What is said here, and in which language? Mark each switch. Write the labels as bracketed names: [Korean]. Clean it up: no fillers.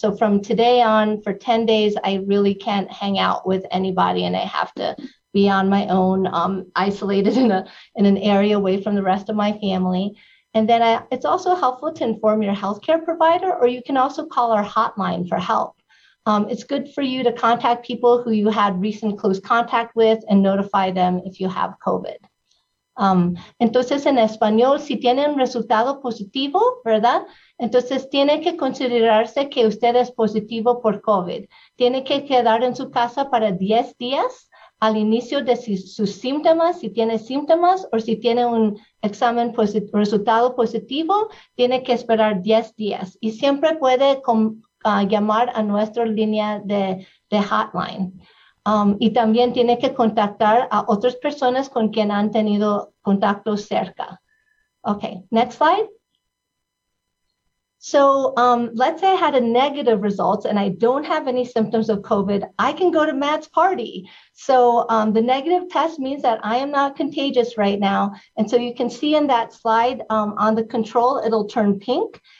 [English] So from today on, for 10 days, I really can't hang out with anybody and I have to be on my own, isolated in an area away from the rest of my family. And then it's also helpful to inform your healthcare provider, or you can also call our hotline for help. It's good for you to contact people who you had recent close contact with and notify them if you have COVID. [Spanish] Entonces, en español, si tiene un resultado positivo, ¿verdad? Entonces, tiene que considerarse que usted es positivo por COVID. Tiene que quedar en su casa para 10 días al inicio de sus síntomas, si tiene síntomas, o si tiene un examen resultado positivo, tiene que esperar 10 días. Y siempre puede llamar a nuestra línea de hotline. Y también tiene que contactar a otras personas con quien han tenido contacto cerca. [English] Okay, next slide. So let's say I had a negative result and I don't have any symptoms of COVID. I can go to Matt's party. So the negative test means that I am not contagious right now. And so you can see in that slide on the control, it'll turn pink.